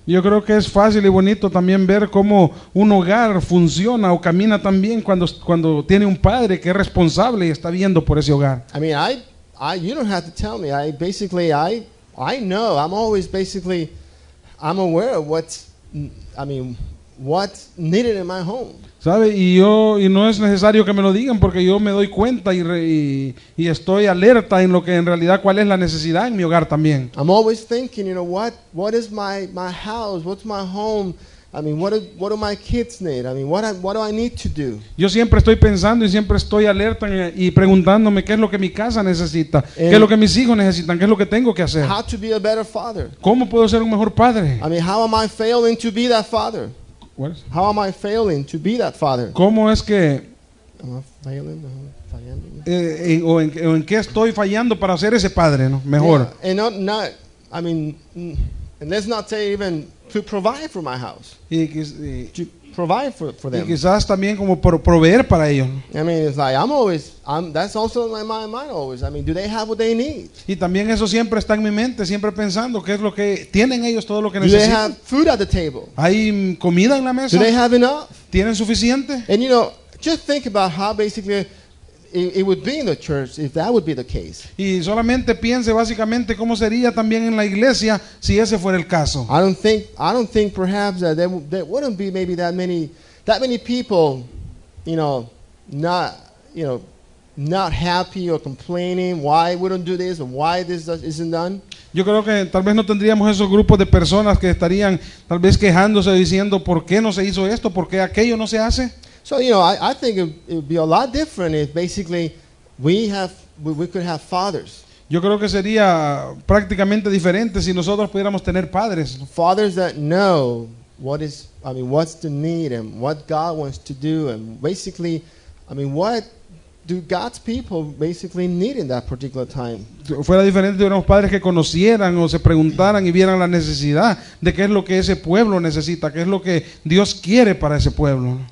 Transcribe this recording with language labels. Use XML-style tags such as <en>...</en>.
<es>Yo creo que es fácil y bonito también ver cómo un hogar funciona o camina también cuando tiene un padre que es responsable y está viendo por ese hogar.</es> <en>I mean, I you don't have to tell me. I know. I'm always basically I'm aware of what's needed in my home.</en> <es>¿Sabe? Y no es necesario que me lo digan porque yo me doy cuenta y estoy alerta en lo que en realidad cuál es la necesidad en mi hogar también.</es> <en>I'm always thinking, you know, what is my house? What's my home? I mean, what do my kids need? I mean, what do I need to do?</en> <es>Yo siempre estoy pensando y siempre estoy alerta y preguntándome qué es lo que mi casa necesita, qué es lo que mis hijos necesitan, qué es lo que tengo que hacer.</es> <en>How to be a better father?</en> <es>¿Cómo puedo ser un mejor padre?</es> <en>I mean, how am I failing to be that father? What? How am I failing to be that father?</en> <es>¿Cómo es que</es> <en>am I failing? Am I fallando?</en> <es>¿En qué estoy fallando para ser ese padre, no? Mejor.</es> <en>Yeah. And not, I mean, and let's not say even to provide for my house.</en> <es>Y</es> <en>to provide for them.</en> <es>Y quizás también como proveer para ellos.</es> <en>I mean, it's like I'm always that's also in my mind always. I mean, do they have what they need?</en> <es>Y también eso siempre está en mi mente, siempre pensando qué es lo que tienen ellos todo lo que necesitan.</es> <en>Do they have food at the table?</en> <es>¿Hay comida en la mesa?</es> <en>Do they have enough?</en> <es>¿Tienen suficiente?</es> <en>And you know, just think about how basically it would be in the church if that would be the case.</en> <es>Y solamente piense básicamente cómo sería también en la iglesia si ese fuera el caso.</es> <en>I don't think perhaps that there wouldn't be maybe that many people, you know, not happy or complaining, why wouldn't do this or why this isn't done.</en> <es>Yo creo que tal vez no tendríamos esos grupos de personas que estarían tal vez quejándose diciendo por qué no se hizo esto, por qué aquello no se hace.</es> <en>So, you know, I think it would be a lot different if basically we could have fathers.</en> <es>Yo creo que sería prácticamente diferente si nosotros pudiéramos tener padres.</es> <en>Fathers that know what's the need and what God wants to do and basically, I mean, what do God's people basically need in that particular time?</en> <es>Fuera diferente si tuviéramos padres que conocieran o se preguntaran y vieran la necesidad de qué es lo que ese pueblo necesita, qué es lo que Dios quiere para ese pueblo.</es>